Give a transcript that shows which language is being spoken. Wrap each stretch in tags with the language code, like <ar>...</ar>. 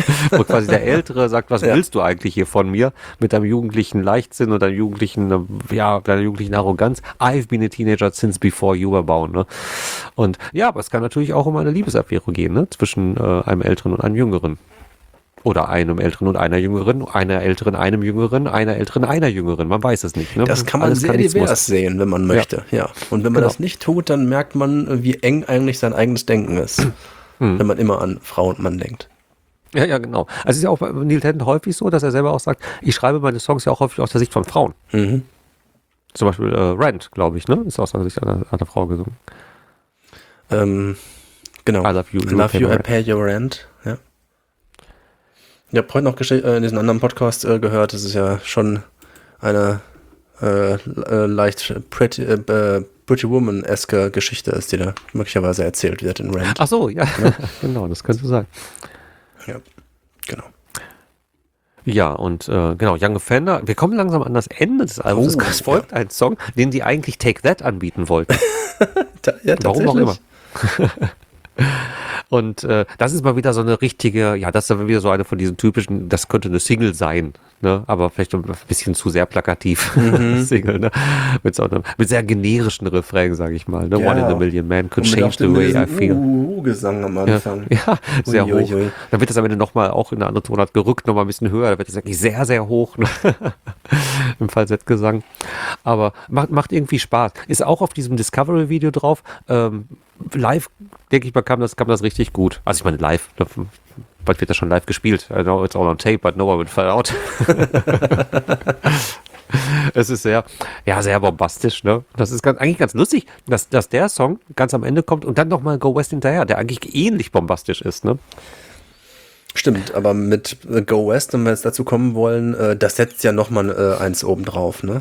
<de>Wo quasi der Ältere sagt, was willst du eigentlich hier von mir? Mit deinem jugendlichen Leichtsinn und deinem jugendlichen, ja, deiner jugendlichen Arroganz.</de> <en>I've been a teenager since before you were born. Ne?</en> <de>Und ja, aber es kann natürlich auch um eine Liebesaffäre gehen, ne? Zwischen einem Älteren und einem Jüngeren. Oder einem Älteren und einer Jüngeren, einer Älteren, einem Jüngeren, einer Älteren, einer Jüngeren. Man weiß es nicht. Ne? Das kann man sehr divers sehen, wenn man möchte. Ja. Und wenn man das nicht tut, dann merkt man, wie eng eigentlich sein eigenes Denken ist. Wenn man immer an Frau und Mann denkt. Ja, genau. Also es ist ja auch bei Neil Tennant häufig so, dass er selber auch sagt, ich schreibe meine Songs ja auch häufig aus der Sicht von Frauen. Mhm. Zum Beispiel Rent, glaube ich, ne? Ist aus der Sicht einer Frau gesungen. Genau.</de> <en>I love you, I love you, I pay your rent.</en> <de>Ich habe heute noch in diesem anderen Podcast gehört, das ist ja schon eine leicht Pretty Woman-eske Geschichte ist, die da möglicherweise erzählt wird in Rent. Ach so, ja. Genau, das könnte sein. Ja, genau. Ja, und genau, Young Offender. Wir kommen langsam an das Ende des Albums. Oh, es folgt ein Song, den sie eigentlich Take That anbieten wollten. tatsächlich. Warum auch immer. Und das ist mal wieder so eine richtige, ja, das ist wieder so eine von diesen typischen, das könnte eine Single sein, ne? Aber vielleicht ein bisschen zu sehr plakativ. Mhm. Single, ne? Mit so einem, mit sehr generischen Refrain, sage ich mal, ne?</de> <en>Yeah. One in a Million Man could change the way I feel.</en> <de>Gesang am Anfang. Ja, sehr hoch. Dann wird das am Ende nochmal auch in eine andere Tonart gerückt, nochmal ein bisschen höher, da wird das wirklich sehr, sehr hoch, ne? Im Falsettgesang. Aber macht irgendwie Spaß. Ist auch auf diesem Discovery-Video drauf. Live, denke ich mal, kam das richtig gut. Also ich meine live, bald wird das schon live gespielt.</de> <en>I know it's all on tape, but no one would fall out.</en> <de>Es ist sehr, ja, sehr bombastisch, ne? Das ist eigentlich ganz lustig, dass der Song ganz am Ende kommt und dann nochmal Go West hinterher, der eigentlich ähnlich bombastisch ist, ne? Stimmt, aber mit Go West, wenn wir jetzt dazu kommen wollen, das setzt ja nochmal eins oben drauf, ne?</de>